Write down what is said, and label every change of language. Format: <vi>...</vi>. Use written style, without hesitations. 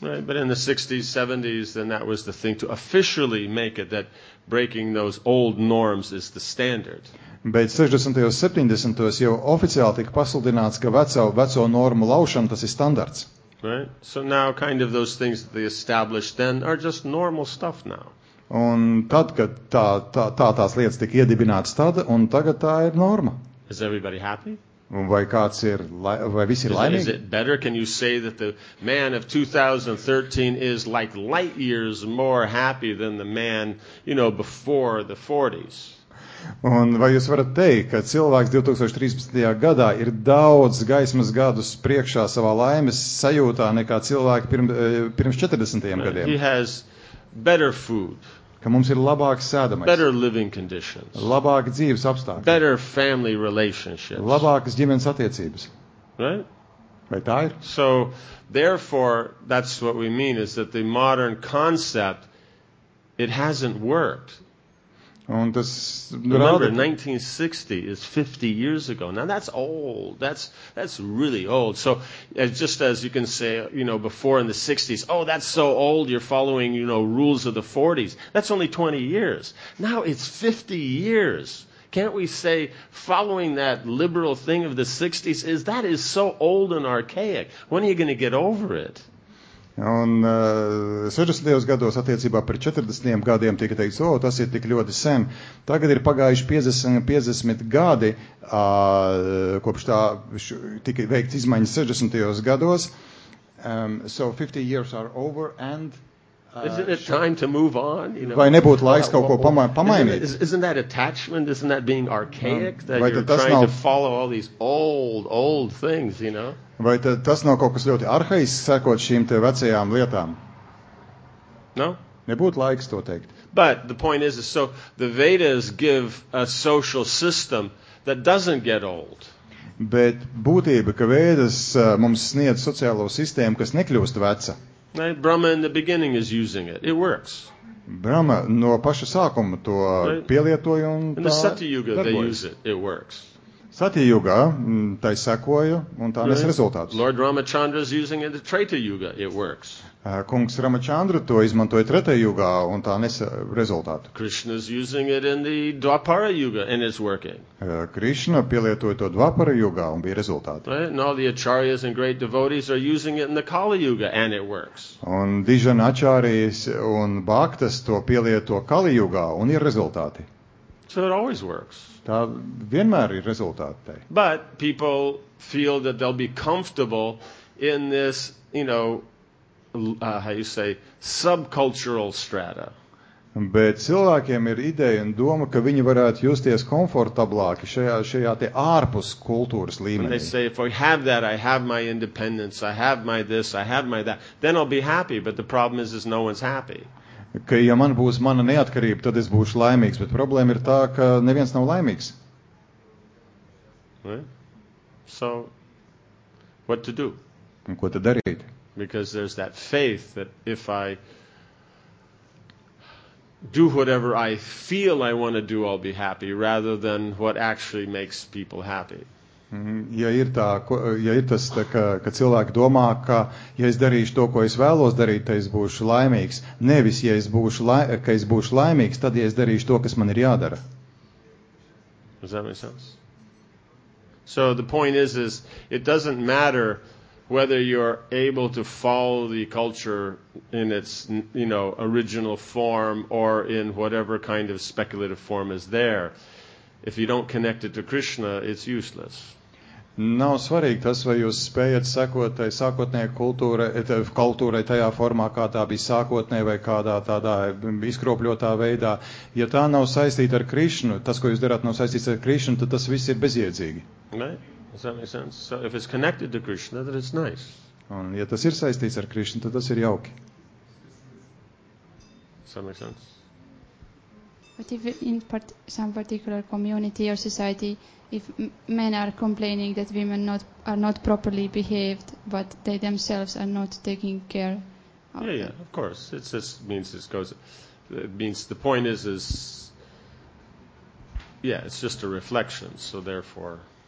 <en>Right, but in the 60s, 70s, then that was the thing to officially make it that breaking those old norms is the standard.</en> <lv>Bet 60. 70. Jau oficiāli tika pasludināts, ka veco normu laušana tas ir standards.</lv> <en>Right, so now kind of those things that they established then are just normal stuff now.</en> <lv>Un tad, kad tās lietas tika iedibinātas tad, un tagad tā ir norma.</lv> <en>Is everybody happy?</en> <lv>Vai kāds ir, vai visi ir laimīgi?</lv> <en>Is it better? Can you say that the man of 2013 is like light years more happy than the man, you know, before the 40s?</en> <lv>Un vai jūs varat teikt, ka cilvēks 2013. Gadā ir daudz gaismas gadus priekšā savā laimes sajūtā nekā cilvēki pirms 40. Gadiem?</lv> <en>He has better food.</en> <lv>Ka mums ir labāks sēdamais.</lv> <en>Better living conditions.</en> <lv>Labāki dzīves apstākļi.</lv> <en>Better family relationships.</en> <lv>Labākas ģimenes attiecības.</lv> <en>Right?</en> <lv>Vai tā ir?</lv> <en>So, therefore, that's what we mean, is that the modern concept, it hasn't worked.</en> <lv>Un tas</lv> <en>remember, rada, 1960 is 50 years ago. Now, that's old. That's really old. So, just as you can say, you know, before in the 60s, oh, that's so old, you're following, you know, rules of the 40s. That's only 20 years. Now, it's 50 years. Can't we say, following that liberal thing of the 60s, that is so old and archaic. When are you going to get over it?</en> <lv>Un 60. Gados attiecībā par 40. Gadiem tika teikts, o, tas ir tik ļoti sen. Tagad ir pagājuši 50 gadi, kopš tā tika veikts izmaiņas 60.</lv> <en>Gados. So 50 years are over and... Isn't it time to move on? You know?</en> <lv>Vai nebūtu laiks kaut ko pamainīt?</lv> <en>Isn't that attachment? Isn't that being archaic? That vai you're trying to follow all these old things, you know?</en> <lv>Vai tas nav kaut kas ļoti arhaisks sekot šīm te vecajām lietām?</lv> <en>No?</en> <lv>Nebūtu laiks to teikt.</lv> <en>But the point is so the Vedas give a social system that doesn't get old.</en> <lv>Bet būtība, ka Vedas mums sniedz sociālo sistēmu, kas nekļūst veca.</lv> <en>Right? Brahma in the beginning is using it. It works.</en> <lv>Brahma no paša sākuma to pielietoja un</lv> <en>in the Satyuga they use it. It works.</en> <lv>Satya Yuga, tai sekoju, un tā nes rezultātus.</lv> <en>Lord Ramachandra is using it in Treta Yuga, it works.</en> <lv>Kungs Ramachandra to izmantoja Treta Yuga, un tā nes rezultātu.</lv> <en>Krishna is using it in the Dvapara Yuga, and it's working.</en> <lv>Krishna pielietoja to Dvapara Yuga, un bija rezultāti.</lv> <en>Right? And all the acharyas and great devotees are using it in the Kali Yuga, and it works.</en> <lv>Un dižana acharyas un bhaktas to pielieto Kali Yuga, un ir rezultāti.</lv> <en>So it always works.</en> <lv>Tā vienmēr ir rezultāti.</lv> <en>But people feel that they'll be comfortable in this, you know, how you say, subcultural strata.</en> <lv>Bet cilvēkiem ir ideja un doma, ka viņi varētu justies komfortablāki šajā te ārpus kultūras līmenī.</lv> <en>When they say, if I have that, I have my independence, I have my this, I have my that, then I'll be happy, but the problem is no one's happy.</en> <lv>Ka, ja man būs mana neatkarība, tad es būšu laimīgs, bet problēma ir tā, ka neviens nav laimīgs.</lv> <en>Right? So, what to do?</en> <lv>Un ko tad darīt?</lv> <en>Because there's that faith that if I do whatever I feel I want to do, I'll be happy, rather than what actually makes people happy.</en> <lv>Ja ir tā, ja ir tas, tā, ka cilvēki domā, ka ja es darīšu to, ko es vēlos darīt, tad es būšu laimīgs. Nevis, ja es būšu ka es būšu laimīgs, tad ja es darīšu to, kas man ir jādara.</lv> <en>Does that make sense? So the point is it doesn't matter whether you're able to follow the culture in its, you know, original form or in whatever kind of speculative form is there. If you don't connect it to Krishna, it's useless.</en> <lv>Nav svarīgi tas, vai jūs spējat sekot tai sākotnējai kultūrai tajā formā, kā tā bija sākotnē vai kādā tādā izkropļotā veidā. Ja tā nav saistīta ar Krishnu, tas, ko jūs darāt, nav saistīts ar Krishnu, tad tas viss ir bezjēdzīgi.</lv> <en>Right? Does that make sense? So if it's connected to Krishna, then it's nice.</en> <lv>Un ja tas ir saistīts ar Krishnu, tad tas ir jauki.</lv> <en>Does that make sense? But if in some particular community or society, if men are complaining that women are not properly behaved, but they themselves are not taking care of them. Yeah, of course. It's just a reflection, so therefore...</en>